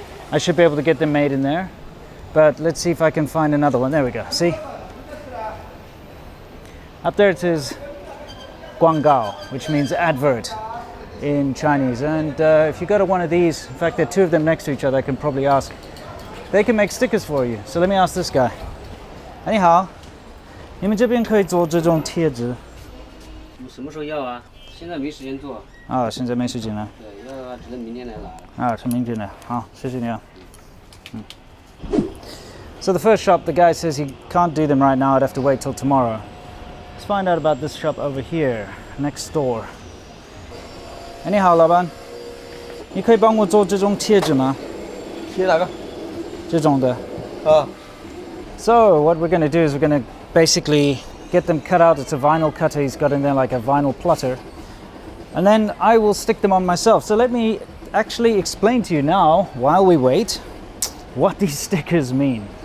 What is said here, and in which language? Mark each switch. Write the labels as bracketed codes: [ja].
[en] I should be able to get them made in there. But let's see if I can find another one. There we go, see? Up there it says Guanggao, which means advert in Chinese. And if you go to one of these, in fact, there are two of them next to each other, I can probably ask. They can make stickers for you. So let me ask this guy. [zh] 你好, 你们这边可以做这种贴纸? 什么时候要啊?现在没时间做。现在没时间了? 对, 要只能明天来了。是明天了。好, 谢谢你啊。 [en] So the first shop, the guy says he can't do them right now, I'd have to wait till tomorrow. Let's find out about this shop over here, next door. [zh] 你好,老板, 你可以帮我做这种贴纸吗? 贴哪个? 这种的。 [en] So what we're going to do is we're going to basically get them cut out. It's a vinyl cutter he's got in there, like a vinyl plotter. And then I will stick them on myself. So let me actually explain to you now, while we wait, what these stickers mean.